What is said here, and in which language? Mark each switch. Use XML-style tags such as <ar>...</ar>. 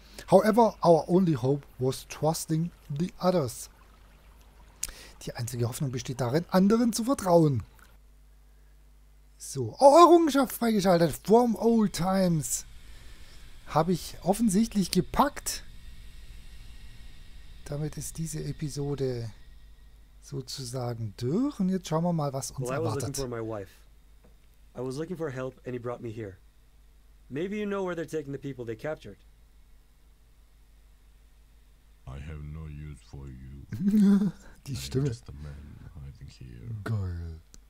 <en>However, our only hope was trusting the others.</en> <de>Die einzige Hoffnung besteht darin, anderen zu vertrauen. So, oh, Errungenschaft freigeschaltet.</de> <en>From old times.</en> <de>Habe ich offensichtlich gepackt. Damit ist diese Episode sozusagen durch. Und jetzt schauen wir mal, was uns erwartet.</de> <en>I was looking for my wife. I was looking for help and he brought me here. Maybe you know where they're taking the people they captured. I have no use for you.</en> <de>Die Stimme.</de> <en>Just a man hiding here.</en> <de>Geil.</de>